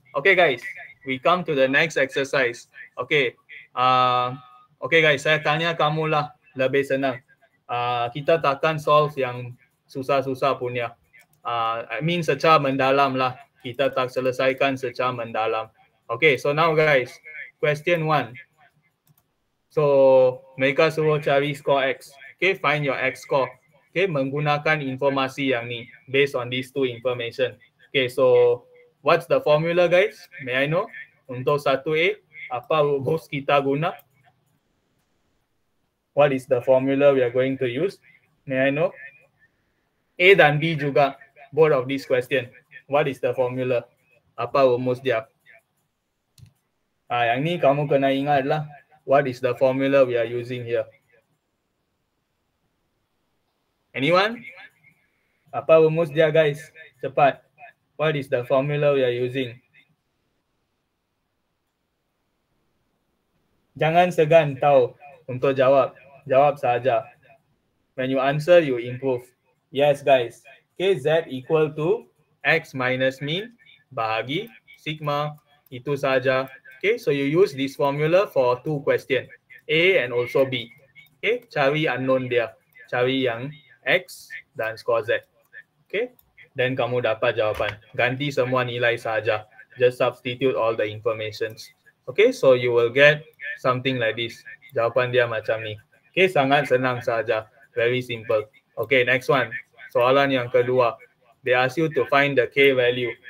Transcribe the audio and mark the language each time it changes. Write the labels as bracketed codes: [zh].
[en] Okay guys, we come to the next exercise. Okay. [ms] Okay guys, saya tanya kamu lah lebih senang. Kita takkan solve yang susah-susah punya. I mean secara mendalam lah. Kita tak selesaikan secara mendalam. [en] Okay, so now guys, question one. [ms] So, mereka suruh cari score X. [en] Okay, find your X score. Okay, [ms] menggunakan informasi yang ni, [en] based on these two information. Okay, so, what's the formula guys? May I know? [ms] Untuk 1A, apa rumus kita guna? [en] What is the formula we are going to use? May I know? [ms] A dan B juga, [en] both of this question. What is the formula? [ms] Apa rumus dia? Yang ni kamu kena ingat lah. [en] What is the formula we are using here? [ms] Anyone? Apa rumus dia guys? Cepat. [en] What is the formula we are using? [ms] Jangan segan tahu untuk jawab. Jawab saja. [en] When you answer, you improve. Yes, guys. Okay, Z equal to X minus mean bahagi sigma. [ms] Itu saja. [en] Okay, so you use this formula for two question. A and also B. [ms] Okay, cari unknown dia. Cari yang X dan score Z. Okay, then kamu dapat jawapan. Ganti semua nilai saja. [en] Just substitute all the informations. Okay, so you will get something like this. [ms] Jawapan dia macam ni. Okay, sangat senang saja. [en] Very simple. [ms] Okay, [en] next one. [ms] Soalan yang kedua. [en] They ask you to find the K value.